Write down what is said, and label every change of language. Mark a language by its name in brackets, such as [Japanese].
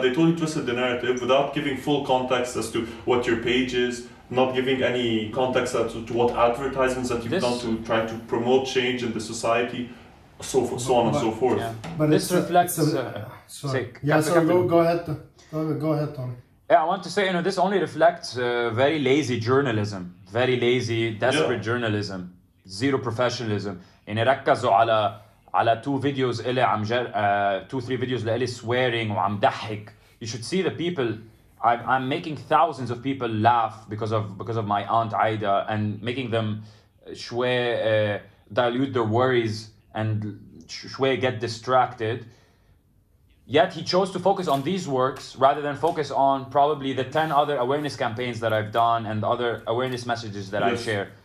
[English] They totally twisted the narrative without giving full context as to what your page is, not giving any context as to what advertisements that you've done to try to promote change in the society, so on and so forth. Yeah. But this reflects... Go ahead, Tony. Yeah, I want to say, you know, this only reflects very lazy journalism, very lazy, desperate journalism, zero professionalism. [Arabic] يعني ركزوا على [English] two videos [Arabic] إلي عم جر [English] two three videos [Arabic] لإلي [English] swearing [Arabic] وعم ضحك. [English] You should see the people. I'm making thousands of people laugh because of my aunt Aida, and making them [Arabic] شوي [English] dilute their worries and شوي get distracted. Yet he chose to focus on these works rather than focus on probably the 10 other awareness campaigns that I've done and other awareness messages that I share.